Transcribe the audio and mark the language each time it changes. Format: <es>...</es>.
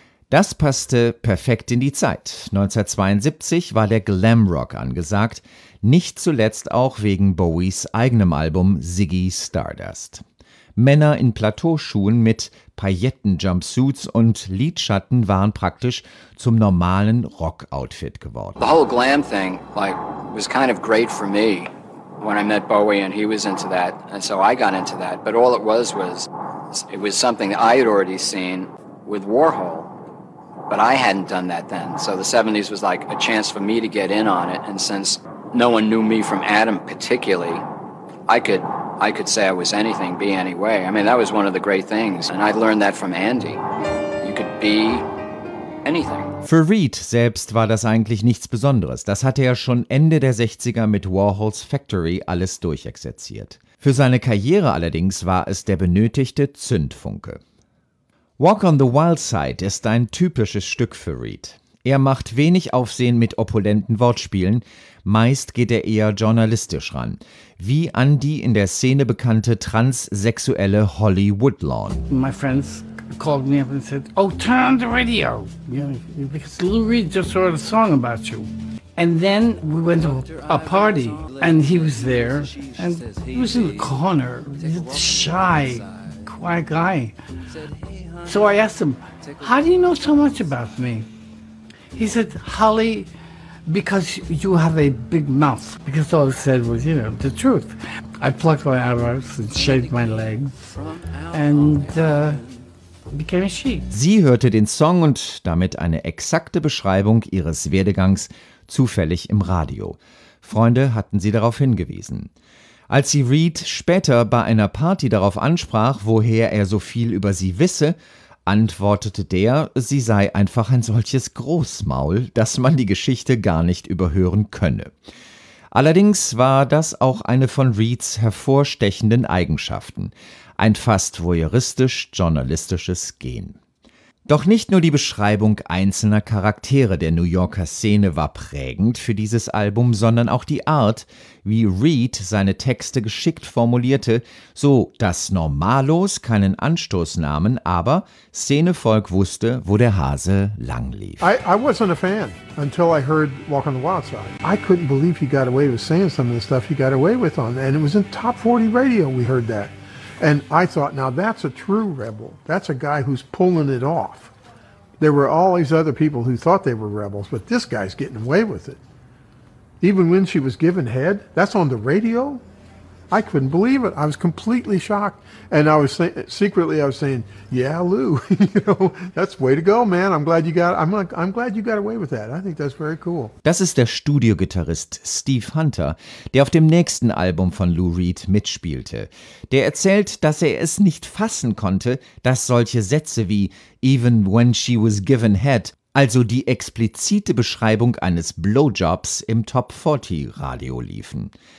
<de>Das passte perfekt in die Zeit. 1972 war der Glamrock angesagt, nicht zuletzt auch wegen Bowies eigenem Album Ziggy Stardust. Männer in Plateauschuhen mit Pailletten-Jumpsuits und Lidschatten waren praktisch zum normalen Rock-Outfit geworden.</de> <en>The whole glam thing, like, was kind of great for me when I met Bowie and he was into that, and so I got into that. But all it was something that I had already seen with Warhol, but I hadn't done that then. So the 70s was like a chance for me to get in on it, and since no one knew me from Adam particularly, I could say I was anything, be any way. I mean, that was one of the great things. And I learned that from Andy. You could be anything.</en> <de>Für Reed selbst war das eigentlich nichts Besonderes. Das hatte er schon Ende der 60er mit Warhol's Factory alles durchexerziert. Für seine Karriere allerdings war es der benötigte Zündfunke. Walk on the Wild Side ist ein typisches Stück für Reed. Er macht wenig Aufsehen mit opulenten Wortspielen, meist geht er eher journalistisch ran, wie an die in der Szene bekannte transsexuelle Holly Woodlawn.</de> <en>My friends called me up and said, oh, turn on the radio. You know, because Lou Reed just wrote a song about you. And then we went to a party, and he was there, and he was in the corner, shy, quiet guy. So I asked him, how do you know so much about me? He said, Holly, because you have a big mouth. Because all I said was, you know, the truth. I plucked my eyebrows and shaved my legs and became a she.</en> <de>Sie hörte den Song und damit eine exakte Beschreibung ihres Werdegangs zufällig im Radio. Freunde hatten sie darauf hingewiesen. Als sie Reed später bei einer Party darauf ansprach, woher er so viel über sie wisse, antwortete der, sie sei einfach ein solches Großmaul, dass man die Geschichte gar nicht überhören könne. Allerdings war das auch eine von Reeds hervorstechenden Eigenschaften, ein fast voyeuristisch-journalistisches Gen. Doch nicht nur die Beschreibung einzelner Charaktere der New Yorker Szene war prägend für dieses Album, sondern auch die Art, wie Reed seine Texte geschickt formulierte, so dass Normalos keinen Anstoß nahmen, aber Szenevolk wusste, wo der Hase lang lief.</de> <en>I wasn't a fan until I heard Walk on the Wild Side. I couldn't believe he got away with saying some of the stuff he got away with on, and it was in Top 40 Radio we heard that. And I thought, now that's a true rebel. That's a guy who's pulling it off. There were all these other people who thought they were rebels, but this guy's getting away with it. Even when she was given head, that's on the radio? I couldn't believe it. I was completely shocked. And I was secretly saying, yeah, Lou, you know, that's way to go, man. I'm glad you got away with that. I think that's very cool.</en> <de>Das ist der Studiogitarrist Steve Hunter, der auf dem nächsten Album von Lou Reed mitspielte. Der erzählt, dass er es nicht fassen konnte, dass solche Sätze wie</de> <en>even when she was given head,</en> <de>also die explizite Beschreibung eines Blowjobs, im Top 40 Radio liefen.</de>